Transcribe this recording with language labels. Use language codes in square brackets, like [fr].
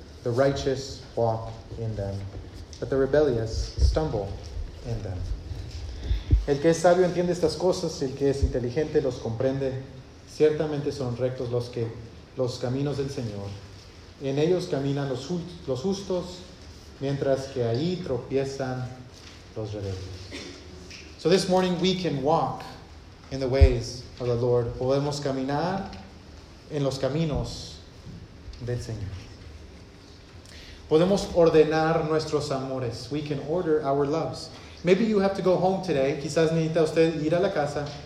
[en] The righteous walk in them, but the rebellious stumble in them. [es] El que es sabio entiende estas cosas, el que es inteligente los comprende. Ciertamente son rectos los caminos del Señor. En ellos caminan los justos, mientras que ahí tropiezan los rebeldes. [en] So this morning we can walk in the ways of the Lord. [es] Podemos caminar en los caminos del Señor. Podemos ordenar nuestros amores. [en] We can order our loves. Maybe you have to go home today. [es] Quizás necesita usted ir a la casa.